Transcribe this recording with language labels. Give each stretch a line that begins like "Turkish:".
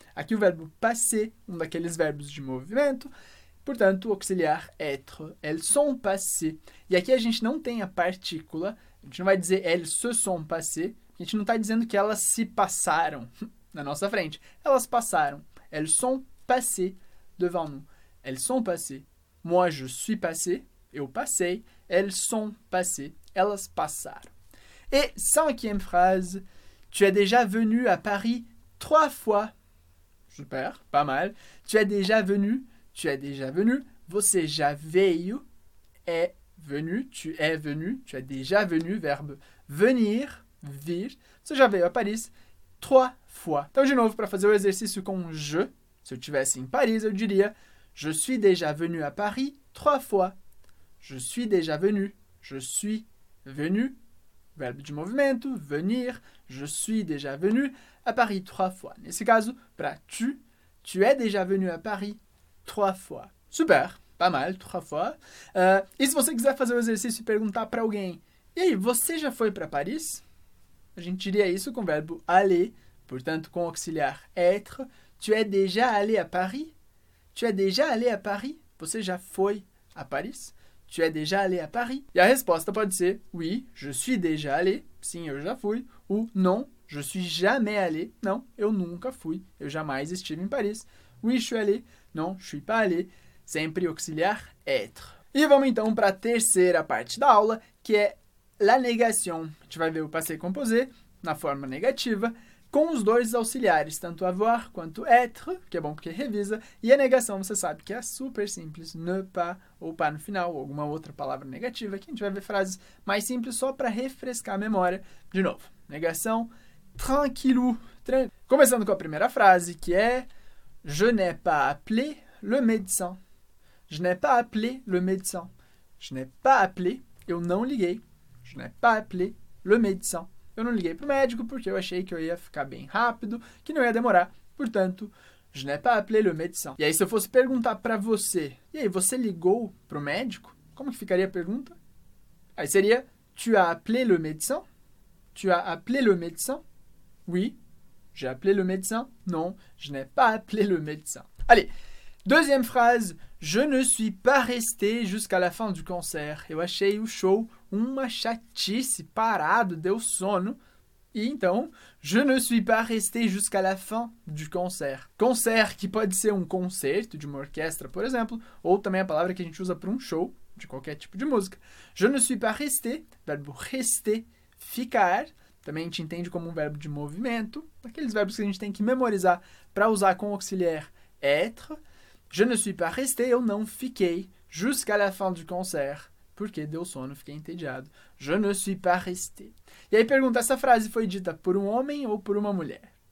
Portuguese: Aqui o verbo passer, um daqueles verbos de movimento. Portanto, auxiliar être.
French: Elles sont passées.
Portuguese: E aqui a gente não tem a partícula. A gente não vai dizer
French: elles se sont passées.
Portuguese: A gente não está dizendo que elas se passaram na nossa frente. Elas passaram.
French: Elles sont passées devant nous. Elles sont passées. Moi, je suis passé.
Portuguese: Eu passei.
French: Elles sont passées.
Portuguese: Elas passaram.
French: Et cinquième phrase. Tu es déjà venu à Paris 3 fois. Super, pas mal. Tu es déjà venu.
Portuguese: Você já veio.
French: É venu. Tu es venu. Tu es déjà venu. Verbe venir.
Portuguese: Vir. Você já veio
French: à Paris 3 fois.
Portuguese: Então, de novo, para fazer o exercício com je, se eu estivesse em Paris, eu diria
French: je suis déjà venu à Paris 3 fois. Je suis déjà venu. Je suis venu.
Portuguese: Verbo de movimento,
French: venir, je suis déjà venu à Paris 3 fois.
Portuguese: Nesse caso, para
French: tu es déjà venu à Paris 3 fois. Super, pas mal, 3 fois.
Portuguese: E se você quiser fazer o exercício e perguntar para alguém, e aí, você já foi para Paris? A gente diria isso com o verbo
French: aller,
Portuguese: portanto, com o auxiliar être.
French: Tu es déjà allé à Paris? Tu es déjà allé à Paris?
Portuguese: Você já foi à Paris?
French: Tu es déjà allé à Paris?
Portuguese: E a resposta pode ser
French: oui, je suis déjà allé.
Portuguese: Sim, eu já fui.
French: Ou non, je suis jamais allé.
Portuguese: Não, eu nunca fui. Eu jamais estive em Paris.
French: Oui, je suis allé. Non, je suis pas allé.
Portuguese: Sempre auxiliar être. E vamos então para a terceira parte da aula, que é
French: la négation.
Portuguese: A gente vai ver o passé composé na forma negativa, com os dois auxiliares, tanto avoir quanto être, que é bom porque revisa, e a negação você sabe que é super simples, ne pas ou pas no final, ou alguma outra palavra negativa, que a gente vai ver frases mais simples só para refrescar a memória. De novo, negação, tranquilo. Começando com a primeira frase, que é
French: je n'ai pas appelé le médecin. Je n'ai pas appelé le médecin. Je n'ai pas appelé,
Portuguese: eu não liguei.
French: Je n'ai pas appelé le médecin.
Portuguese: Eu não liguei para o médico porque eu achei que eu ia ficar bem rápido, que não ia demorar. Portanto,
French: je n'ai pas appelé le médecin.
Portuguese: E aí, se eu fosse perguntar para você, e aí, você ligou para o médico? Como que ficaria a pergunta? Aí seria,
French: tu as appelé le médecin? Tu as appelé le médecin? Oui, j'ai appelé le médecin. Non, je n'ai pas appelé le médecin. Allez, deuxième phrase. Je ne suis pas resté jusqu'à la fin du concert.
Portuguese: Eu achei o show uma chatice, parado, deu sono.
French: Então, je ne suis pas resté jusqu'à la fin du concert.
Portuguese: Concert qui pode ser um concerto de uma orquestra, por exemplo, ou também a palavra que a gente usa para um show de qualquer tipo de música.
French: Je ne suis pas resté,
Portuguese: verbo rester, ficar. Também a gente entende como um verbo de movimento, aqueles verbos que a gente tem que memorizar para usar com o auxiliar être.
French: Je ne suis pas resté,
Portuguese: eu não fiquei
French: jusqu'à la fin du concert,
Portuguese: porque deu sono, fiquei entediado.
French: Je ne suis pas resté.
Portuguese: E aí pergunta: essa frase foi dita por um homem ou por uma mulher?